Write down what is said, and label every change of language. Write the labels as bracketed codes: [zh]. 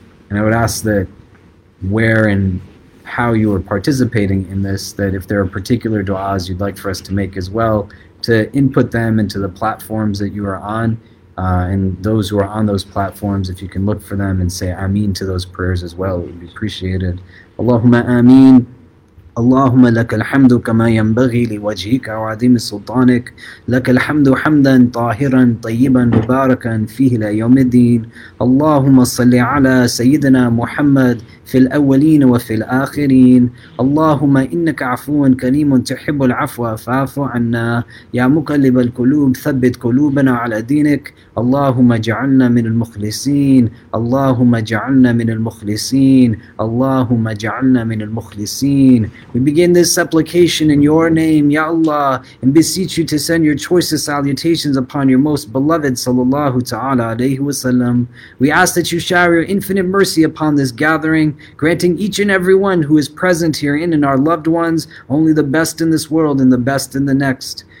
[en] And I would ask that where and how you are participating in this, that if there are particular duas you'd like for us to make as well, to input them into the platforms that you are on. And those who are on those platforms, if you can look for them and say ameen to those prayers as well, it would be appreciated. Allahumma ameen. [ar] اللهم لك الحمد كما ينبغي لوجهك وعظيم سلطانك لك الحمد حمدا طاهرا طيبا مباركا فيه لا يوم الدين اللهم صل على سيدنا محمد في الأولين وفي الآخرين اللهم إنك عفو كريم تحب العفو فاعف عنا يا مقلب القلوب ثبت قلوبنا على دينك اللهم اجعلنا من المخلصين اللهم اجعلنا من المخلصين اللهم اجعلنا من المخلصين. [en] We begin this supplication in your name, Ya Allah, and beseech you to send your choicest salutations upon your most beloved Sallallahu Ta'ala Alayhi Wasallam. We ask that you shower your infinite mercy upon this gathering, granting each and every one who is present herein and our loved ones only the best in this world and the best in the next.